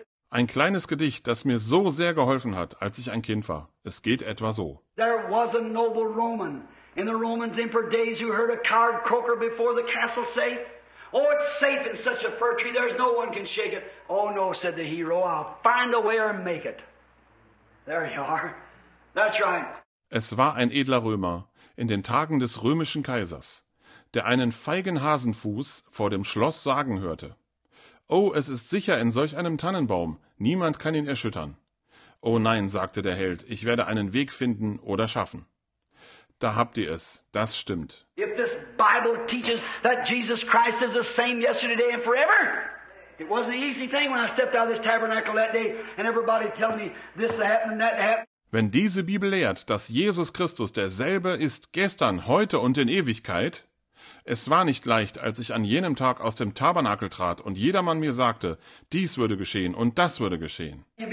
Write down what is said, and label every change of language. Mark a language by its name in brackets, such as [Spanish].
[German] Ein kleines Gedicht, das mir so sehr geholfen hat, als ich ein Kind war. Es geht etwa so. [English] There was a noble Roman in the Romans' emperor days who heard a card croaker before the castle safe. Oh, it's safe in such a fir tree, there's no one can shake it. Oh, no, said the hero, I'll find a way or make it. There you are. That's right. [German] Es war ein edler Römer in den Tagen des römischen Kaisers, der einen feigen Hasenfuß vor dem Schloss sagen hörte. Oh, es ist sicher in solch einem Tannenbaum, niemand kann ihn erschüttern. Oh nein, sagte der Held, ich werde einen Weg finden oder schaffen. Da habt ihr es, das stimmt. [English] If this Bible teaches that Jesus Christ is the same yesterday and forever, it wasn't an easy thing when I stepped out of this tabernacle that day and everybody telling me this happened and that happened. [German] Wenn diese Bibel lehrt, dass Jesus Christus derselbe ist gestern, heute und in Ewigkeit, es war nicht leicht, als ich an jenem Tag aus dem Tabernakel trat und jedermann mir sagte, dies würde geschehen und das würde geschehen.